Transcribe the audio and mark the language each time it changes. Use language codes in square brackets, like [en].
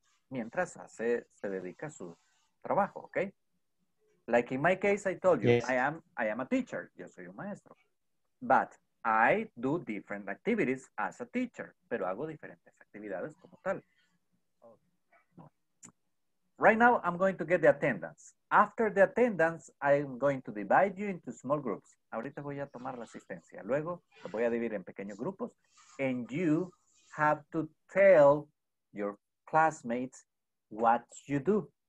[es] Mientras hace, se dedica a su trabajo, okay? [en] Like in my case, I told you, yes. I am a teacher. [es] Yo soy un maestro. [en] But I do different activities as a teacher. [es] Pero hago diferentes actividades como tal. [en] Right now, I'm going to get the attendance. After the attendance, I'm going to divide you into small groups. [es] Ahorita voy a tomar la asistencia. Luego, lo voy a dividir en pequeños grupos. [en] And you have to tell your classmates what you do.